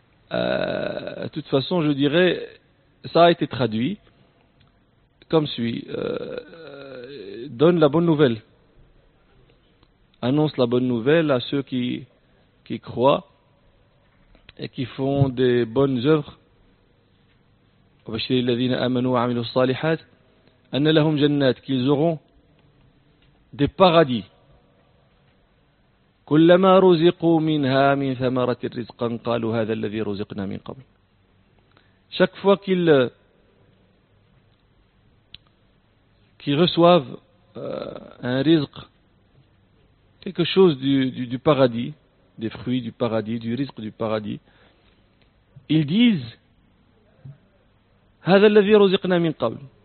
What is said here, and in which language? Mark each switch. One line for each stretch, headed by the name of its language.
French: De toute façon, je dirais, ça a été traduit comme suit. Donne la bonne nouvelle. Annonce la bonne nouvelle à ceux qui croient et qui font des bonnes œuvres.
Arabic: وَبَشِّرِ الَّذِينَ آمَنُوا وَعَمِلُوا الصَّالِحَاتِ أَنَّ لَهُمْ جَنَّاتِ qu'ils auront des paradis. كلما رزقوا منها من ثمرة الرزق قالوا هذا الذي رزقنا من قبل.
French: Chaque fois qu'ils reçoivent un rizq, quelque chose du paradis, des fruits du paradis, du rizq du paradis, ils disent هذا الذي رزقنا من قبل.